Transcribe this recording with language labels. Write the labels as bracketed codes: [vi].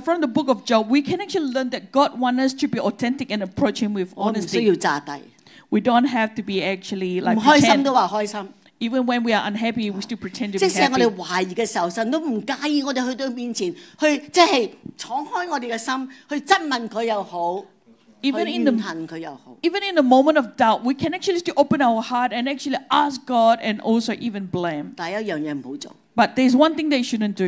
[en] from the book of Job, we can actually learn that God wants us to be authentic and approach Him with honesty. [zh] 我们不需要诈大。 [en] We don't have to be actually like pretend. [zh] 不开心都说开心。 [en] Even when we are unhappy, we still pretend to be happy. [zh] 即使我们怀疑的时候，神都不介意我们去到面前去，即是敞开我们的心去质问他又好。 [en] Even in the moment of doubt, we can actually still open our heart and actually ask God and also even blame. But there's one thing that you shouldn't do.